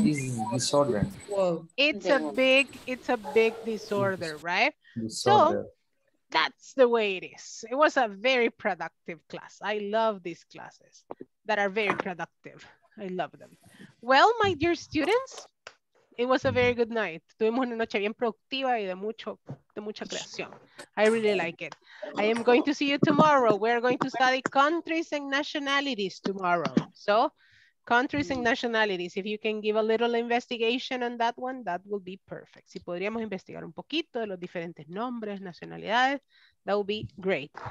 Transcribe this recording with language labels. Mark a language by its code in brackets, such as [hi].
[en] It's a disorder. It's a big, disorder, right? Disorder. So that's the way it is. It was a very productive class. I love these classes that are very productive. I love them. Well, my dear students, it was a very good night. [es] Tuvimos una noche bien productiva y de mucha creación. [en] I really like it. I am going to see you tomorrow. We are going to study countries and nationalities tomorrow. So, countries and nationalities. If you can give a little investigation on that one, that will be perfect. [es] Si podríamos investigar un poquito de los diferentes nombres, nacionalidades, [en] that would be great.